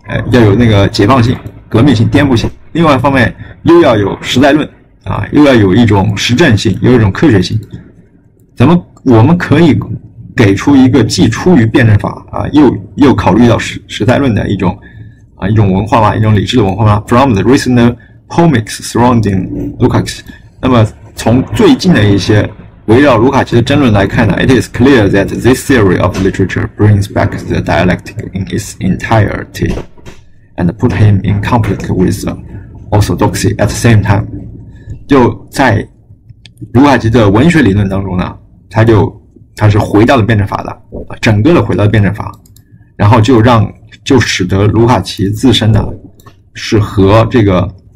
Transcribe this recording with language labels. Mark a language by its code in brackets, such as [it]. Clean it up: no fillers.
[zh] 要有那个解放性革命性颠覆性，另外一方面又要有实在论又要有一种实证性，有一种科学性，我们可以给出一个既出于辩证法又考虑到实在论的一种文化嘛，一种理智的文化嘛。 [en] From the recent polemics surrounding Lukács， [zh] 那么从最近的一些围绕卢卡奇的争论来看呢 [en] ，It is clear that this theory of literature brings back the dialectic in its entirety and put him in conflict with orthodoxy at the same time。 [zh] 就在卢卡奇的文学理论当中呢，他是回到了辩证法的，整个的回到了辩证法，然后就使得卢卡奇自身呢是和这个